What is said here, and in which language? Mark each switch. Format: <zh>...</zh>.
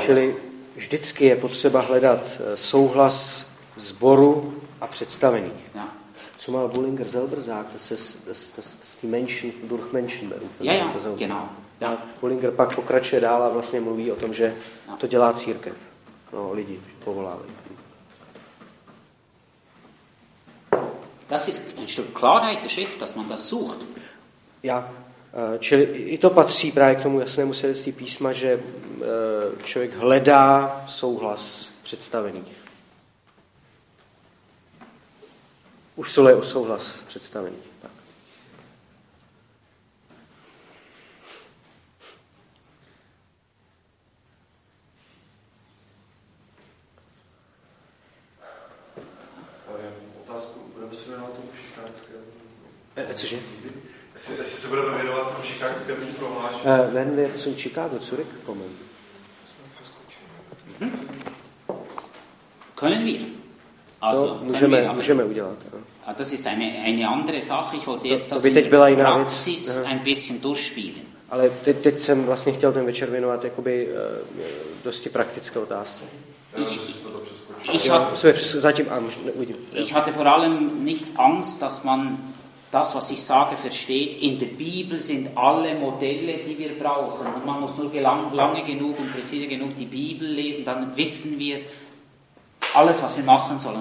<cs>Čili vždycky je potřeba hledat souhlas sboru a představených. Co má</cs> <de>Bullinger selber sagt, das die Menschen durch Menschen berufen. Ja, genau. Ja.</de> <cs>Bullinger pak pokračuje dál a vlastně mluví o tom, že to dělá církev. No, lidi povolávají.</cs> <de>Das ist ein Stück Klarheit der Schrift, dass man das sucht.</de> <cs>Ja, čili i to patří právě k tomu jasnému svědectví písma, že člověk hledá souhlas představených. Usiluje o souhlas představení. Tak. Otázku, budeme se věnovat tomu šikánskému? Cože? Jestli se budeme věnovat tomu šikánskému prohlášení?</cs> <de>Wenn wir zum Chicago zurück kommen. Können wir?</de> <cs>Also, můžeme udělat.</cs> <de>Ja. Das ist eine andere Sache. Ich wollte jetzt das in Praxis ein bisschen durchspielen.</de> <cs>Ale teď jsem vlastně chtěl ten večer věnovat jakoby dosti praktické otázce.</cs> <de>Ich hatte vor allem nicht Angst, dass man das, was ich sage, versteht. In der Bibel sind alle Modelle, die wir brauchen. Und man muss nur lange genug und präzise genug die Bibel lesen, dann wissen wir alles, was wir machen sollen.</de>